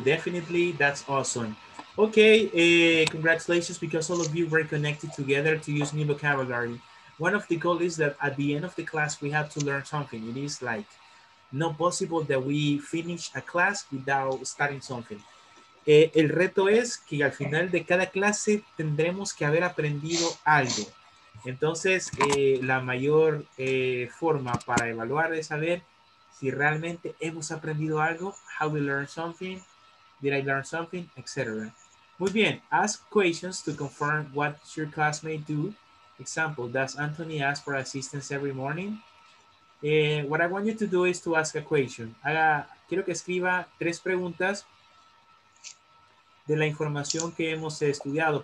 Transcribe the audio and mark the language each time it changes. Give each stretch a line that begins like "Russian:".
English: Definitely, that's awesome. Okay, congratulations, because all of you were connected together to use new vocabulary. One of the goals is that at the end of the class, we have to learn something. It is like not possible that we finish a class without starting something.
Spanish: El reto es que al final de cada clase tendremos que haber aprendido algo. Entonces, la mayor forma para evaluar es saber si realmente hemos aprendido algo,
English: how we learn something, did I learn something, etc.
Spanish: Muy bien,
English: ask questions to confirm what your classmate do. Example, does Anthony ask for assistance every morning? What I want you to do is to ask a question.
Spanish: Quiero que escriba tres preguntas de la información que hemos estudiado.